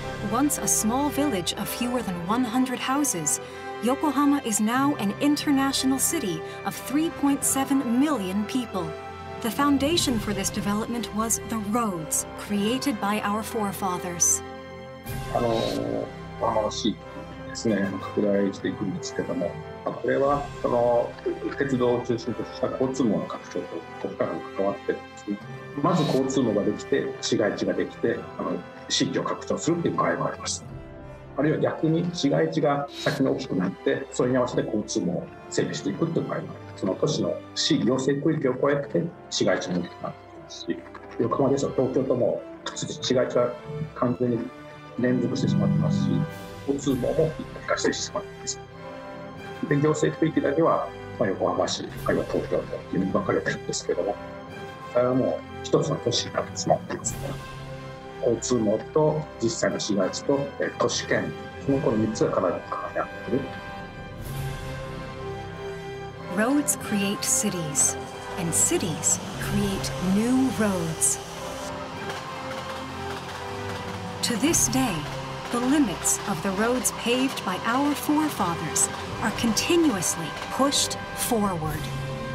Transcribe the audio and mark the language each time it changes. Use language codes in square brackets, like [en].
[en] Once a small village of fewer than 100 houses, Yokohama is now an international city of 3.7 million people. The foundation for this development was the roads created by our forefathers. [ja] Yokohama市ですね、拡大していくにつけても、これは鉄道を中心とした交通網の拡張と深く関わってですね、まず交通網ができて、市街地ができて、市域を拡張するっていう場合もあります。あるいは逆に市街地が先に大きくなって、それに合わせて交通も整備していくという場合もある。その都市の市行政区域を超えて市街地も大きくなっていますし、横浜ですと東京とも市街地は完全に連続してしまってますし、交通網も一体化してしまっています。で、行政区域だけは、横浜市あるいは東京というふうに分かれているんですけども、それはもう一つの都市が詰まっています。交通網と実際の市街地と都市圏、この3つがかなり関わっている。 [en] Roads create cities and cities create new roads. To this day,The limits of the roads paved by our forefathers are continuously pushed forward.